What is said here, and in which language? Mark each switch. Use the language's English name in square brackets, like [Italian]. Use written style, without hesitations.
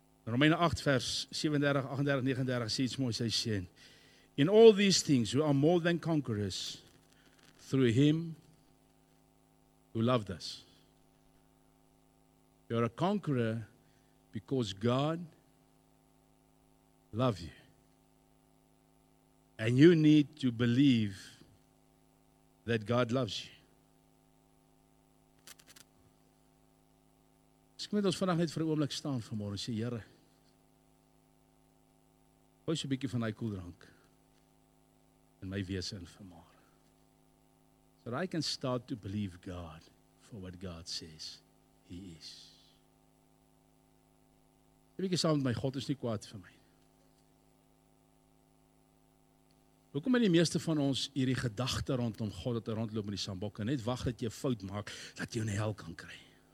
[Afrikaans] Romeine 8 vers 37, 38, 39 sê iets moois, hy sê, [English] in all these things we are more than conquerors through him who loved us. You are a conqueror because God loves you. And you need to believe that God loves you. [Afrikaans] Ek moet ons vandag net vir 'n oomblik staan vanmôre en sê, Here, gooi so 'n bietjie van daai koeldrank in my wese in vanmôre. [English] So that I can start to believe God for what God says he is. [Afrikaans] Ek weet saam met my, God is nie kwaad vir my. Hoekom het die meeste van ons hierdie gedagte rondom God dat hy rondloop met die sambok en net wag dat jy 'n fout maak, dat jy in die hel kan kry?